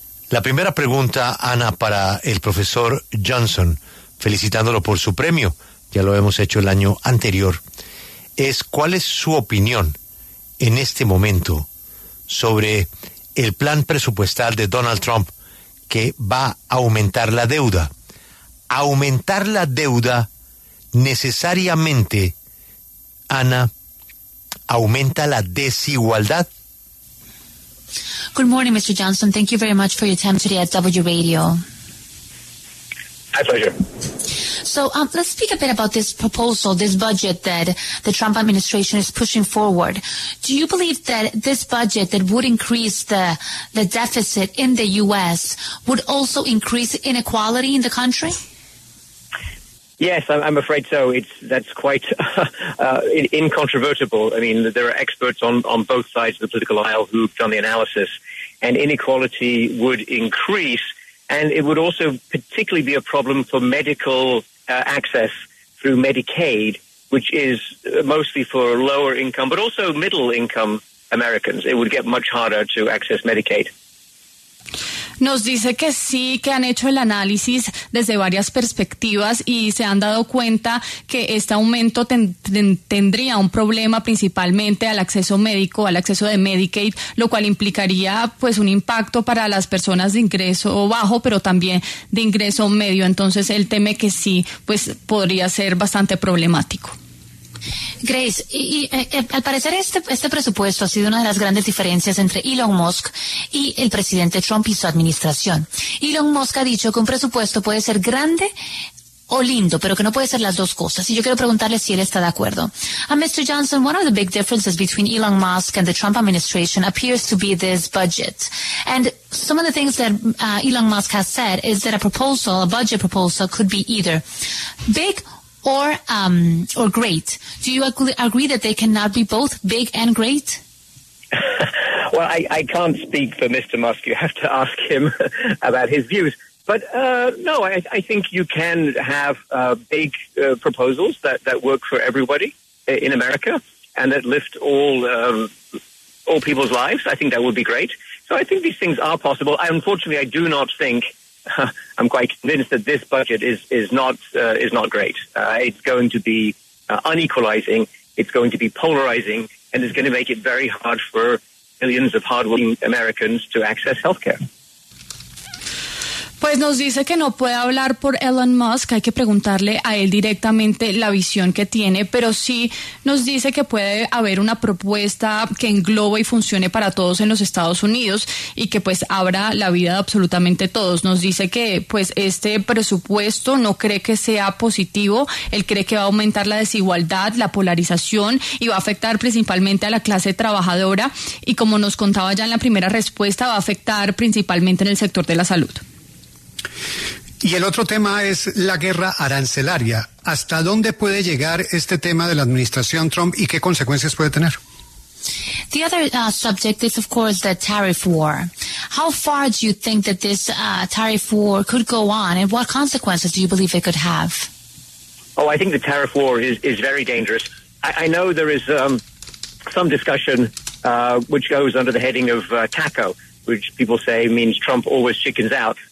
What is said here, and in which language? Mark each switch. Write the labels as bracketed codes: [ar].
[es] La primera pregunta, Ana, para el profesor Johnson, felicitándolo por su premio, ya lo hemos hecho el año anterior, es ¿cuál es su opinión en este momento sobre el plan presupuestal de Donald Trump que va a aumentar la deuda? Aumentar la deuda necesariamente, Ana, aumenta la desigualdad. [en] Good morning, Mr. Johnson. Thank you very much for your time today at W Radio. My pleasure. So let's speak a bit about this proposal, this budget that the Trump administration is pushing forward. Do you believe that this budget that would increase the deficit in the U.S. would also increase inequality in the country? Yes, I'm afraid so. That's quite incontrovertible. I mean, there are experts on both sides of the political aisle who've done the analysis, and inequality would increase, and it would also particularly be a problem for medical access through Medicaid, which is mostly for lower income, but also middle income Americans. It would get much harder to access Medicaid. [es] Nos dice que sí, que han hecho el análisis desde varias perspectivas y se han dado cuenta que este aumento tendría un problema principalmente al acceso médico, al acceso de Medicaid, lo cual implicaría pues un impacto para las personas de ingreso bajo, pero también de ingreso medio. Entonces él teme que sí, pues podría ser bastante problemático. Grace, y al parecer este presupuesto ha sido una de las grandes diferencias entre Elon Musk y el presidente Trump y su administración. Elon Musk ha dicho que un presupuesto puede ser grande o lindo, pero que no puede ser las dos cosas. Y yo quiero preguntarle si él está de acuerdo. [en] Mr. Johnson, one of the big differences between Elon Musk and the Trump administration appears to be this budget. And some of the things that Elon Musk has said is that a budget proposal could be either big or great. Do you agree that they cannot be both big and great? Well, I can't speak for Mr. Musk. You have to ask him about his views. But no, I think you can have big proposals that work for everybody in America and that lift all people's lives. I think that would be great. So I think these things are possible. Unfortunately, I do not think I'm quite convinced that this budget is not great. It's going to be unequalizing, it's going to be polarizing, and it's going to make it very hard for millions of hardworking Americans to access healthcare. [es] Pues nos dice que no puede hablar por Elon Musk, hay que preguntarle a él directamente la visión que tiene, pero sí nos dice que puede haber una propuesta que englobe y funcione para todos en los Estados Unidos y que pues abra la vida de absolutamente todos. Nos dice que pues este presupuesto no cree que sea positivo, él cree que va a aumentar la desigualdad, la polarización y va a afectar principalmente a la clase trabajadora y como nos contaba ya en la primera respuesta, va a afectar principalmente en el sector de la salud. Y el otro tema es la guerra arancelaria. ¿Hasta dónde puede llegar este tema de la administración Trump y qué consecuencias puede tener? [en] The other subject is, of course, the tariff war. How far do you think that this tariff war could go on and what consequences do you believe it could have? Oh, I think the tariff war is very dangerous. I know there is some discussion which goes under the heading of TACO, which people say means Trump always chickens out.